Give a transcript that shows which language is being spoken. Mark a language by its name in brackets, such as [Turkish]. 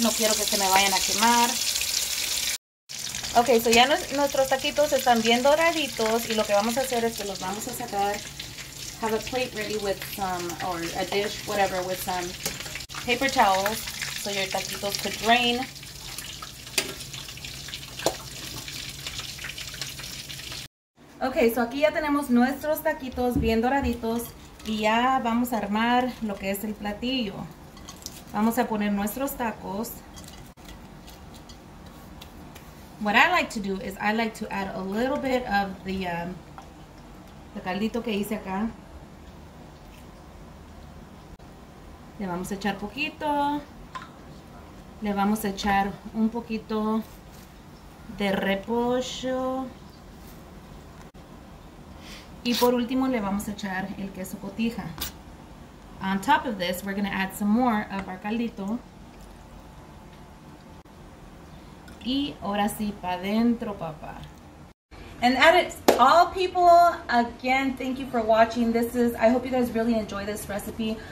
[Spanish] No quiero que se me vayan a quemar. Okay, so ya nuestros taquitos están bien doraditos. Y lo que vamos a hacer es que los vamos a sacar. [English] Have a plate ready with some, or a dish, whatever, with some paper towels so your taquitos could drain. [Spanish] Ok, so aquí ya tenemos nuestros taquitos bien doraditos y ya vamos a armar lo que es el platillo. Vamos a poner nuestros tacos [English] what I like to do is I like to add a little bit of the caldito [Spanish] que hice acá. Le vamos a echar poquito. Le vamos a echar un poquito de repollo. Y por último le vamos a echar el queso cotija. [English] On top of this, we're going to add some more of our caldito. [Spanish] Y ahora sí, pa' dentro, papá. [English] And that is all, people. Again, thank you for watching. I hope you guys really enjoy this recipe.